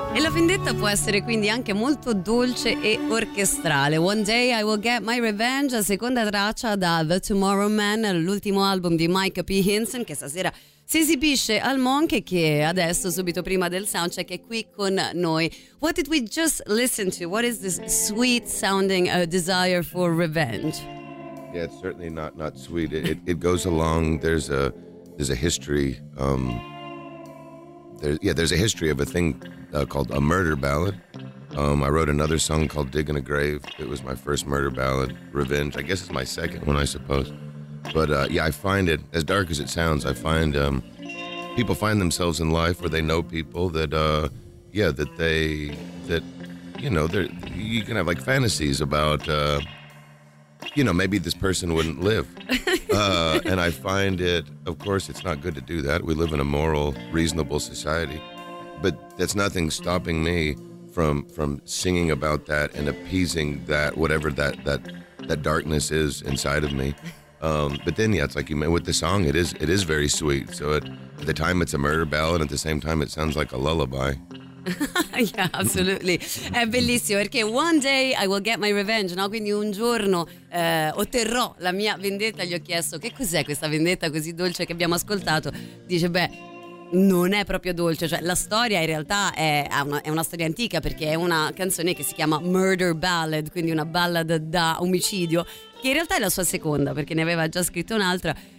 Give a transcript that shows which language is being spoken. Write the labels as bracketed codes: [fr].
[it] vendetta può essere quindi anche molto dolce e orchestrale. One Day I Will Get My Revenge, seconda traccia da The Tomorrow Man, l'ultimo album di Mike P. Hinson, che stasera si esibisce al Monk, che adesso, subito prima del soundcheck, è qui con noi. [en] What did we just listen to? What is this sweet sounding desire for revenge? Yeah, it's certainly not sweet. It goes along, there's a history, there's a history of a thing called a murder ballad. I wrote another song called Digging a Grave. It was my first murder ballad, Revenge. I guess it's my second one, I suppose. But yeah, I find it, as dark as it sounds, I find people find themselves in life where they know people that, you can have like fantasies about, maybe this person wouldn't live. And I find it, of course, it's not good to do that. We live in a moral, reasonable society. But that's nothing stopping me from singing about that and appeasing that, whatever that darkness is inside of me. But then, yeah, it's like you mean with the song, it is very sweet. So at the time, it's a murder ballad. At the same time, it sounds like a lullaby. Yeah, absolutely. [it] È bellissimo perché one day I will get my revenge, no? Quindi un giorno otterrò la mia vendetta. Gli ho chiesto che cos'è questa vendetta così dolce che abbiamo ascoltato. Dice, beh, non è proprio dolce, cioè la storia in realtà è una storia antica, perché è una canzone che si chiama Murder Ballad, quindi una ballad da omicidio, che in realtà è la sua seconda, perché ne aveva già scritto un'altra.